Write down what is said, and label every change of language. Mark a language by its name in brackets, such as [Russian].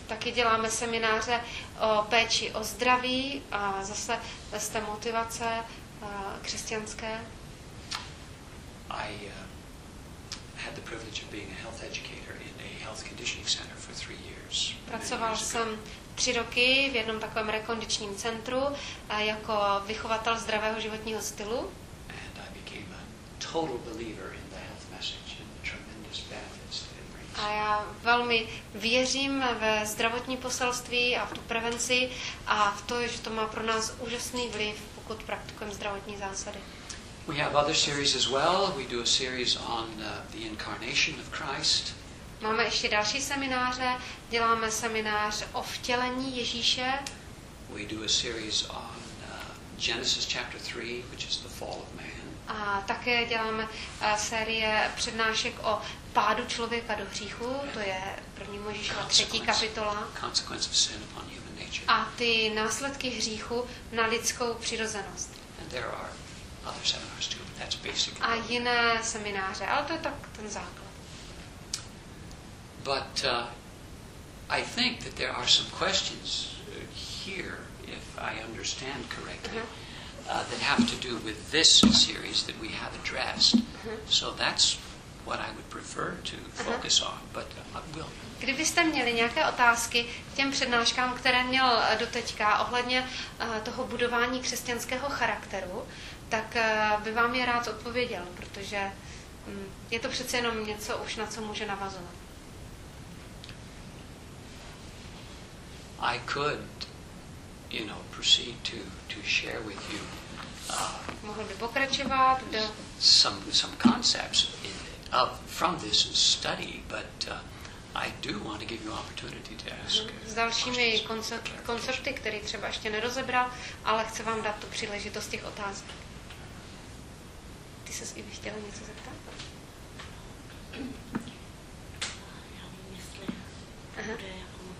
[Czech] Taky děláme semináře o péči o zdraví a zase z té motivace křesťanské. [English] I had the privilege of being a health educator in a health conditioning center for 3 years. [Czech] Pracoval jsem 3 roky v jednom takovém rekondičním centru jako vychovatel zdravého životního stylu. [English] And I became a total believer in the health message and the tremendous benefits that it brings. [Czech] A já velmi věřím ve zdravotní poselství a v tu prevenci a v to, že to má pro nás úžasný vliv, pokud praktikujeme zdravotní zásady. [English] We have other series as well. We do a series on the incarnation of Christ. [Czech] Máme ještě další semináře. Děláme seminář o vtělení Ježíše. [English] We do a series on Genesis chapter 3, which is the fall of man. [Czech] A také děláme série přednášek o pádu člověka do hříchu. To je první Mojžíšova 3. kapitola. [English] Consequence of sin upon human nature. [Czech] A ty následky hříchu na lidskou přirozenost. [English] And there are other seminars too, but that's basically. [Czech] A jiné semináře, ale to je tak ten základ. [English] But I think that there are some questions here, if I understand correctly, that have to do with this series that we have addressed. So that's what I would prefer to focus on, but we'll. [Czech] Kdybyste měli nějaké otázky k těm přednáškám, které měl doteďka ohledně toho budování křesťanského charakteru, tak by vám je rád odpověděl, protože je to přece jenom něco už na co může navazovat. [English] I could, you know, proceed to share with you. [Czech] Mohl by pokračovat do [English] some concepts in from this study, but I do want to give you opportunity to ask. [Czech] S dalšími koncepty, které třeba ještě nerozebral, ale chci vám dát tu příležitost těch otázek. Ty ses i by chtěla něco zeptat? Já nevím, jestli bude jako